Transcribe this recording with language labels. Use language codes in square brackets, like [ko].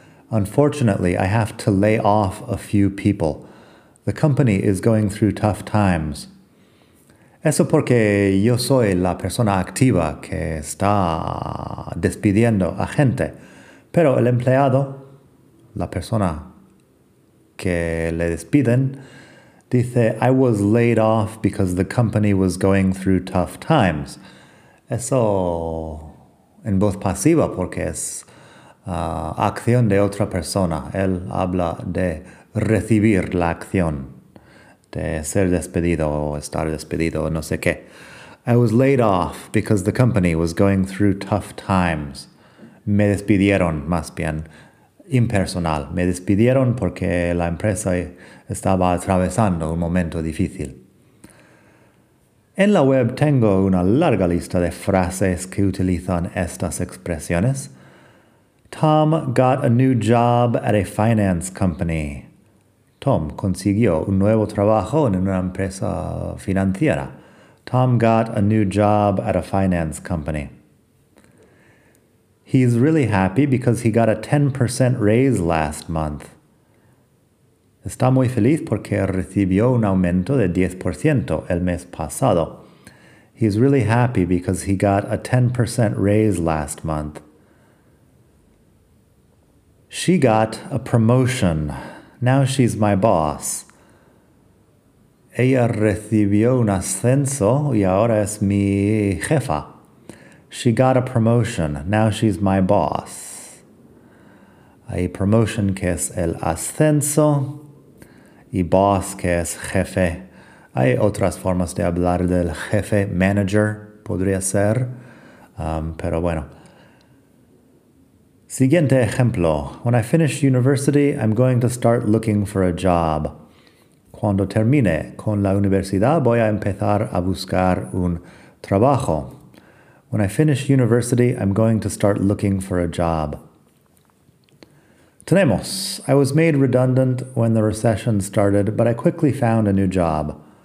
[en] Unfortunately, I have to lay off a few people. The company is going through tough times. [es] Eso porque yo soy la persona activa que está despidiendo a gente. Pero el empleado, la persona que le despiden, dice, [en] I was laid off because the company was going through tough times. [es] Eso en voz pasiva porque es acción de otra persona. Él habla de recibir la acción. De ser despedido o estar despedido o no sé qué. [en] I was laid off because the company was going through tough times. [es] Me despidieron, más bien, impersonal. Me despidieron porque la empresa estaba atravesando un momento difícil. En la web tengo una larga lista de frases que utilizan estas expresiones. [en] Tom got a new job at a finance company. [es] Tom consiguió un nuevo trabajo en una empresa financiera. [en] Tom got a new job at a finance company. He's really happy because he got a 10% raise last month. [es] Está muy feliz porque recibió un aumento de 10% el mes pasado. [en] He's really happy because he got a 10% raise last month. She got a promotion. Now she's my boss. [es] Ella recibió un ascenso y ahora es mi jefa. [en] She got a promotion. Now she's my boss. [es] Hay promotion que es el ascenso. Y boss que es jefe. Hay otras formas de hablar del jefe. Manager podría ser. Pero bueno. Siguiente ejemplo. [en] When I finish university, I'm going to start looking for a job. [es] Cuando termine con la universidad, voy a empezar a buscar un trabajo. [en] When I finish university, I'm going to start looking for a job. [es] Tenemos. [en] I was made redundant when the recession started, but I quickly found a new job.